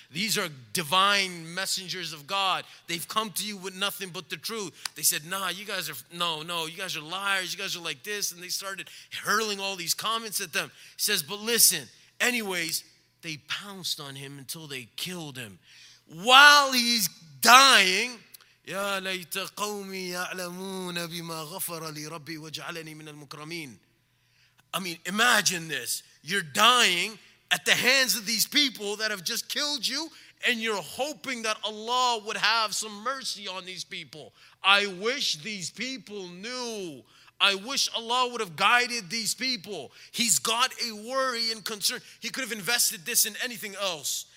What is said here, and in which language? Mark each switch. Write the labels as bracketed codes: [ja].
[en] These are divine messengers of God. They've come to you with nothing but the truth. They said, nah, you guys are, no, you guys are liars. You guys are like this. And they started hurling all these comments at them. He says, but listen, anyways, they pounced on him until they killed him. While he's dying, [ar] يَا لَيْتَ قَوْمِي يَعْلَمُونَ بِمَا غَفَرَ لِي رَبِّي وَجْعَلَنِي مِنَ الْمُكْرَمِينَ [en] I mean, imagine this. You're dying at the hands of these people that have just killed you, and you're hoping that Allah would have some mercy on these people. I wish these people knew. I wish Allah would have guided these people. He's got a worry and concern. He could have invested this in anything else.